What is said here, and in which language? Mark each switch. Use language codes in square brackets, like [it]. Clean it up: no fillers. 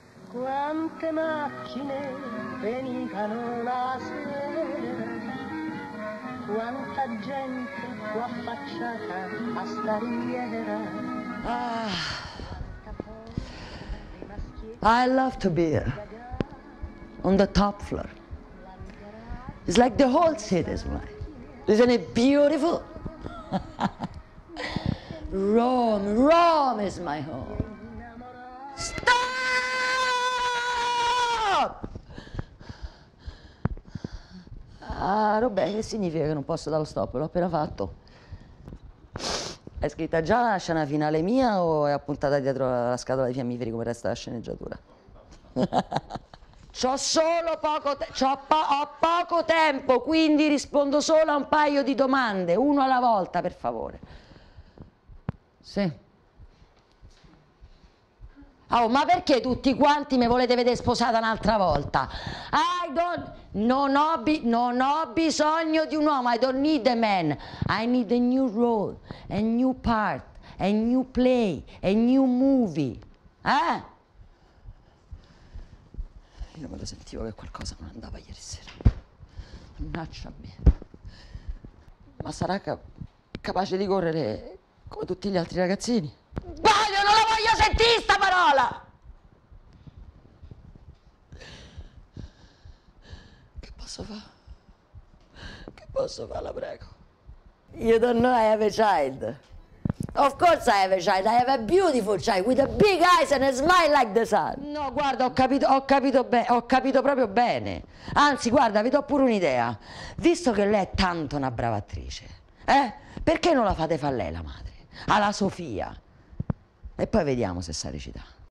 [it] quante macchine venivano la sera, quanta gente fu affacciata a stariera. [en] I love to be here, on the top floor. It's like the whole city is mine. Isn't it beautiful? Rome is my home. Stop! [it] Ah, Robè, che significa che non posso dare lo stop? L'ho appena fatto. È scritta già la scena finale mia o è appuntata dietro la scatola dei fiammiferi come resta la sceneggiatura? C'ho solo poco tempo, ho poco tempo, quindi rispondo solo a un paio di domande, uno alla volta, per favore. Sì. Oh, ma perché tutti quanti mi volete vedere sposata un'altra volta? Non ho bisogno di un uomo. [en] I don't need a man. I need a new role, a new part, a new play, a new movie. [it] Io me lo sentivo che qualcosa non andava ieri sera. Mannaggia me. Ma sarà capace di correre come tutti gli altri ragazzini? Sbaglio, non la voglio sentire sta parola! Che posso fare? Che posso fare, la prego? [en] You don't know I have a child. Of course I have a child, I have a beautiful child with a big eyes and a smile like the sun. [it] No, guarda, ho capito proprio bene. Anzi, guarda, vi do pure un'idea. Visto che lei è tanto una brava attrice, perché non la fate fare lei la madre? Alla Sofia. E poi vediamo se sa recitare.